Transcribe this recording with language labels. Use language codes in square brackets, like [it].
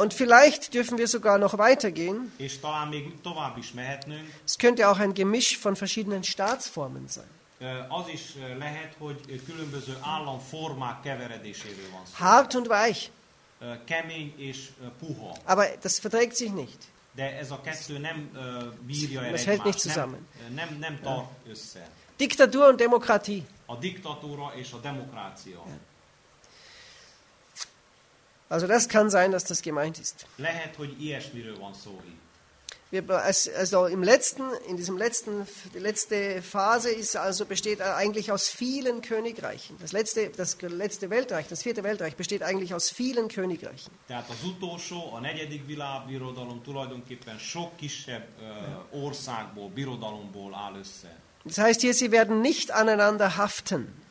[de] Und vielleicht dürfen wir sogar noch weitergehen. [hu] És talán még tovább is mehetnünk. [de] Es könnte auch ein Gemisch von verschiedenen Staatsformen sein. [hu] Az is lehet, hogy különböző államformák keveredéséről van szó. [de] Hart und weich. [hu] Kemény és puha. [de] Aber das verträgt sich nicht. [hu] De ez a kettő nem bírja el egymást. [de] Es hält nicht zusammen. [hu] Nem tart össze. [de] Diktatur und Demokratie. [hu] A diktatúra és a demokrácia. [de] Also das kann sein, dass das gemeint ist. [hu] Lehet, hogy ilyesmiről van szó itt. [de] Also im letzten, in diesem letzten, die letzte Phase ist also besteht eigentlich aus vielen Königreichen. Das letzte Weltreich, das vierte Weltreich besteht eigentlich aus vielen Königreichen. [hu] Tehát az utolsó, a negyedik világbirodalom tulajdonképpen sok kisebb országból, birodalomból áll össze. [de] Das heißt hier, sie werden nicht aneinander haften.